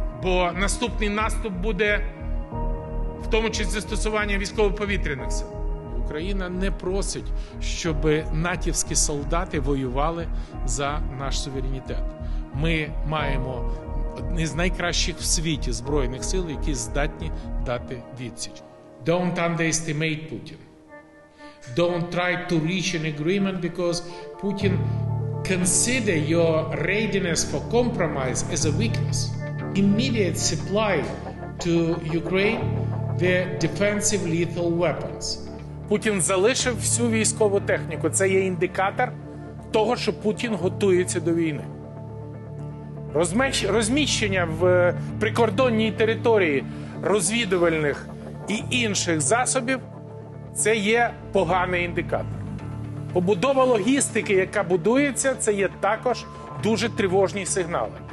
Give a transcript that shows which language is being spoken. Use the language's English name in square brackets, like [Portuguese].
[Ukrainian] Бо наступний наступ буде в тому числі застосування військово-повітряних сил. Україна не просить, щоб натівські солдати воювали за наш суверенітет. Ми маємо одні з найкращих в світі збройних сил, які здатні дати відсіч. [English] Don't underestimate Putin. Don't try to reach an agreement because Putin consider your readiness for compromise as a weakness. Immediate supply to Ukraine the defensive lethal weapons. [Ukrainian] Путін залишив всю військову техніку. Це є індикатор того, що Путін готується до війни. Розміщення в прикордонній території розвідувальних і інших засобів. Це є поганий індикатор. Побудова логістики, яка будується, це є також дуже тривожні сигнали.